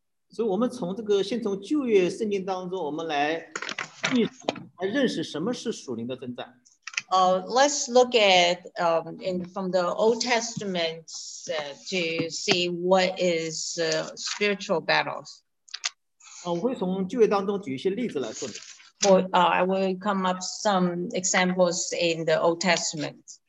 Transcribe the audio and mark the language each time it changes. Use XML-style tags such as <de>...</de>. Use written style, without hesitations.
<zh>所以我们从这个先从旧约圣经当中，我们来。来认识什么是属灵的征战。</zh> <en>Let's look at from the Old Testament to see what is spiritual battles.</en> <zh>我会从旧约当中举一些例子来说明。</zh> <en>I will come up some examples in the Old Testament.</en>